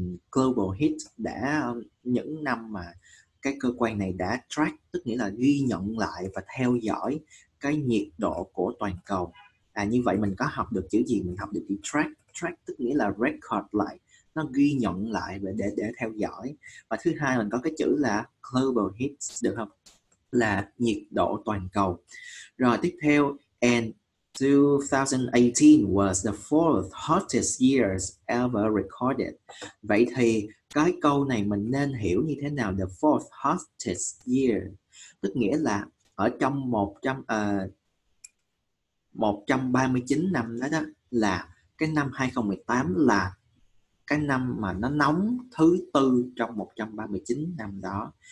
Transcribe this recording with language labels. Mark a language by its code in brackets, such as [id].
[vi] global heat, đã những năm mà cái cơ quan này đã track, tức nghĩa là ghi nhận lại và theo dõi cái nhiệt độ của toàn cầu. À, như vậy mình có học được chữ gì? Mình học được chữ track. Track tức nghĩa là record lại, nó ghi nhận lại và để theo dõi. Và thứ hai mình có cái chữ là global heat, được không? Là nhiệt độ toàn cầu. Rồi tiếp theo, [en] and 2018 was the fourth hottest years ever recorded. [vi] Vậy thì cái câu này mình nên hiểu như thế nào? [en] The fourth hottest year [vi] tức nghĩa là ở trong 139 năm đó, là cái năm 2018 là cái năm mà nó nóng thứ tư trong 139 năm đó.